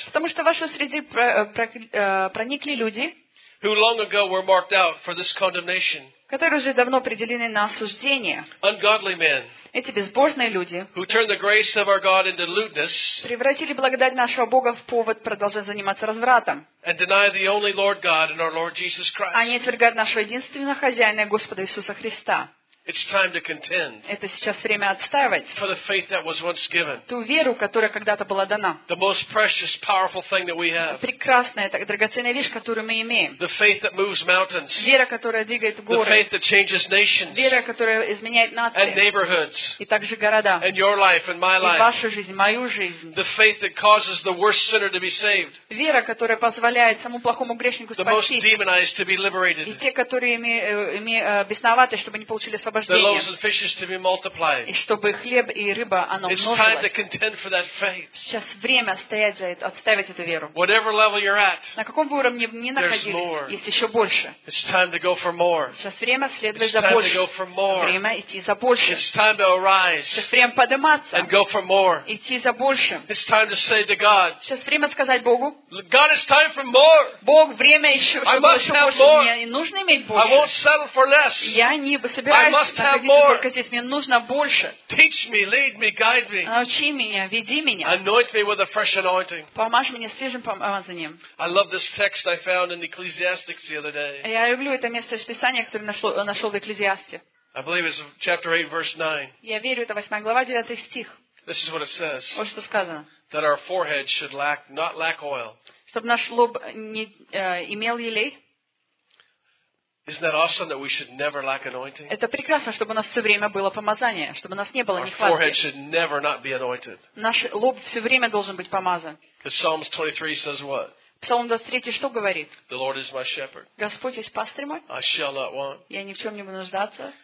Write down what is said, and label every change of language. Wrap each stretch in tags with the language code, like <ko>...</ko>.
<ru>Потому что в вашу среду проникли люди,</ru> <en>who long ago were marked out for this condemnation.</en> <ru>Которые уже давно определены на осуждение.</ru> <en>Ungodly men.</en> <ru>Эти безбожные люди,</ru> <en>who turned the grace of our God into lewdness.</en> <ru>Превратили благодать нашего Бога в повод продолжать заниматься развратом.</ru> <en>And deny the only Lord God and our Lord Jesus Christ.</en> <ru>Они отвергают нашего единственного хозяина Господа Иисуса Христа.</ru> <en>It's time to contend.</en> <ru>Это сейчас время отстаивать.</ru> <en>For the faith that was once given.</en> <ru>Ту веру, которая когда-то была дана.</ru> <en>The most precious, powerful thing that we have.</en> <ru>Прекрасная, так, драгоценная вещь, которую мы имеем.</ru> <en>The faith that moves mountains.</en> <ru>Вера, которая двигает горы.</ru> <en>The faith that changes nations.</en> <ru>Вера, которая изменяет нации.</ru> <en>And neighborhoods.</en> <ru>И также города.</ru> <en>And your life and my life.</en> <ru>И вашу жизнь, мою жизнь.</ru> <en>The faith that causes the worst sinner to be saved.</en> <ru>Вера, которая позволяет самому плохому грешнику спастись.</ru> <en>The most demonized to be liberated.</en> <ru>И те, которые бесноватые, чтобы не получили свободу.</ru> <en>The loaves and fishes to be multiplied.</en> <ru>И чтобы хлеб и рыба, оно множилось.</ru> <en>It's time to contend for that faith.</en> <ru>Сейчас время стоять за это, отставить эту веру.</ru> <en>Whatever level you're at.</en> <ru>На каком бы уровне ни находились, есть еще больше.</ru> <en>It's time to go for more.</en> <ru>Сейчас время следовать за больше.</ru> <en>It's time to go for more.</en> <ru>Время идти за больше.</ru> <en>It's time to arise.</en> <ru>Сейчас время подниматься.</ru> <en>And go for more.</en> <ru>Идти за больше.</ru> <en>It's time to say to God.</en> <ru>Сейчас время сказать Богу.</ru> <en>God, it's time for more.</en> <ru>Бог, время еще, чтобы еще больше.</ru> <en>I must have more.</en> <ru>Мне нужно иметь больше.</ru> <en>I won't settle for less.</en> <ru>Я не собираюсь. Только здесь мне нужно больше.</ru> <en>Teach me, lead me, guide me.</en> <ru>Научи меня, веди меня.</ru> <en>Anoint me with a fresh anointing.</en> <ru>Помажь меня свежим помазанием.</ru> <en>I love this text I found in Ecclesiastes the other day.</en> <ru>Я люблю это место из Писания, которое нашел в Экклезиасте.</ru> <en>I believe it's chapter 8, verse 9.</en> <ru>Я верю, это 8 глава, 9 стих.</ru> <en>This is what it says.</en> <ru>Вот что сказано.</ru> <en>That our forehead should not lack oil.</en> <ru>Чтобы наш лоб не имел елей.</ru> <en>Isn't that awesome that we should never lack anointing?</en> <ru>Это прекрасно, чтобы у нас все время было помазание, чтобы у нас не было нехватки.</ru> <en>Our forehead should never not be anointed.</en> <ru>Наш лоб все время должен быть помазан.</ru> <en>Because Psalms 23 says what?</en> <ru>Псалом 23 что говорит?</ru> <en>The Lord is my shepherd.</en> <ru>Господь есть пастырь мой.</ru> <en>I shall not want.</en> <ru>Я ни в чем не буду нуждаться.</ru>